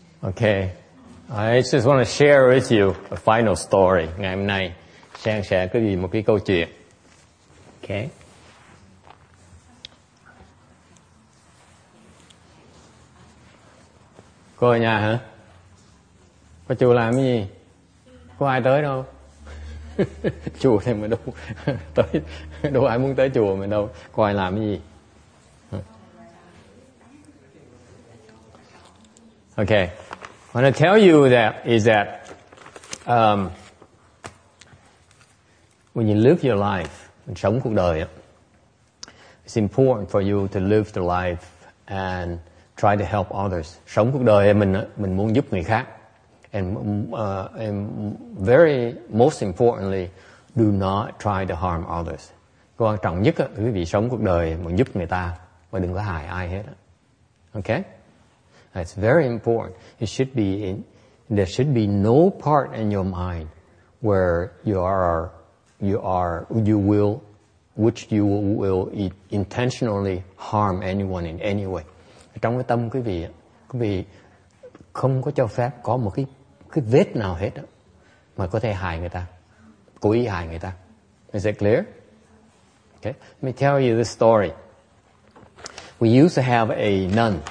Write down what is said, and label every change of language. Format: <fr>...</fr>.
<en>Okay, I just want to share with you a final story.</en> <vi>Ngày hôm nay, Sang sẽ có gì một cái câu chuyện.</vi> <en>Okay.</en> <vi>Cô ở nhà hả? Cô chùa làm cái gì? Có ai tới đâu? Chùa thì mà đâu tới, đâu ai muốn tới chùa mà đâu. Cô ai làm cái gì?</vi> <en>Okay. What I tell you that is that when you live your life,</en> <vi>sống cuộc đời,</vi> <en>it's important for you to live the life and try to help others.</en> <vi>Sống cuộc đời mình muốn giúp người khác.</vi> <en>And very most importantly, do not try to harm others.</en> <vi>Quan trọng nhất quý vị sống cuộc đời muốn giúp người ta và đừng có hại ai hết.</vi> <en>Okay? That's very important. It should be in, there should be no part in your mind where you will intentionally harm anyone in any way.</en> <vi>Trong cái tâm quý vị không có cho phép có một cái vết nào hết đó mà có thể hại người ta, cố ý hại người ta.</vi> <en>Is that clear? Okay. Let me tell you the story. We used to have a nun.</en>